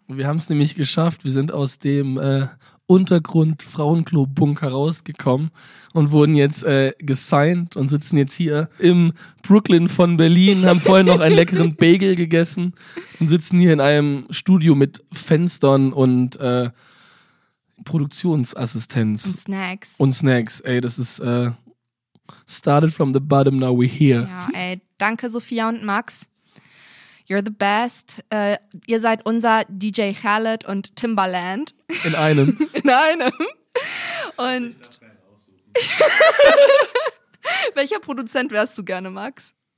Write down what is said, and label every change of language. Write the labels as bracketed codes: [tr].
[de] Wir haben es nämlich geschafft. Wir sind aus dem Untergrund-Frauenklo-Bunker rausgekommen und wurden jetzt gesigned und sitzen jetzt hier im Brooklyn von Berlin, haben vorhin noch einen leckeren Bagel gegessen und sitzen hier in einem Studio mit Fenstern und Produktionsassistenz. Und Snacks. Ey, das ist [en] started from the bottom, now we're here. [de] Ja, ey, danke Sophia und Max. [en] You're the Best, [de] ihr seid unser DJ Khaled und Timbaland. In einem. In einem. Und welcher Produzent wärst du gerne, Max?